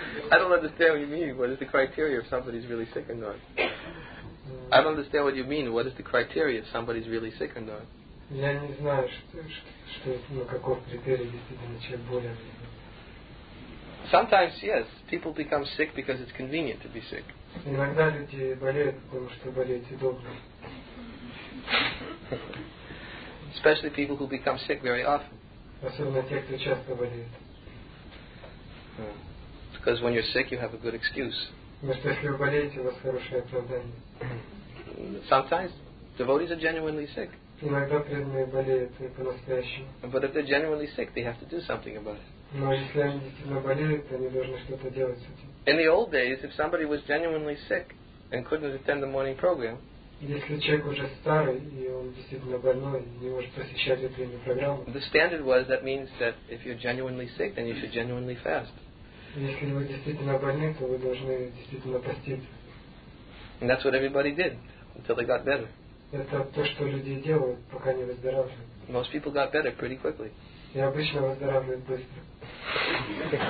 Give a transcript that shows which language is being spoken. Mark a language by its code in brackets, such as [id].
[en] I don't understand what you mean. What is the criteria if somebody's really sick or not? I don't understand what you mean. What is the criteria if somebody's really sick or not? [ru] Я не знаю, что, ну, каков критерий, действительно, человек болен. [en] Sometimes, yes, people become sick because it's convenient to be sick. [ru] Иногда люди болеют, потому что болеть удобно. [en] Especially people who become sick very often. [ru] Особенно те, кто часто болеет. [en] Because when you're sick, you have a good excuse. [ru] Потому что если вы болеете, у вас хорошее оправдание. [en] Sometimes, devotees are genuinely sick. [ru] Иногда преданные болеют, и по-настоящему. [en] But if they're genuinely sick, they have to do something about it. [ru] Но если они действительно болеют, они должны что-то делать с этим. [en] In the old days, if somebody was genuinely sick and couldn't attend the morning program, [ru] если человек уже старый, и он действительно больной, и не может посещать утреннюю программу, [en] the standard was that means that if you're genuinely sick, then you should genuinely fast. [ru] Если вы действительно больны, то вы должны действительно поститься. [en] And that's what everybody did until they got better. [ru] Это то, что люди делают, пока не выздоравливают. [en] Most people got better pretty quickly. [ru] И обычно выздоравливают быстро.